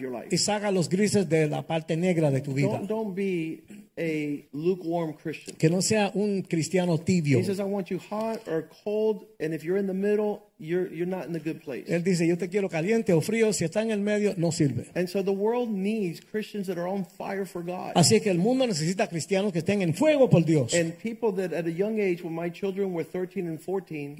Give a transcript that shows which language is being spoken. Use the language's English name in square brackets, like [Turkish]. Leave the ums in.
[Spanish] Y saca los grises de la parte negra de tu vida. [English] a lukewarm Christian. [Spanish] Que no sea un cristiano tibio. [English] He says, I want you hot or cold, and if you're in the middle, you're, you're not in a good place. [Spanish] Él dice, yo te quiero caliente o frío, si está en el medio, no sirve. [English] And so the world needs Christians that are on fire for God. [Spanish] Así que el mundo necesita cristianos que estén en fuego por Dios. [English] And people that at a young age, when my children were 13 and 14,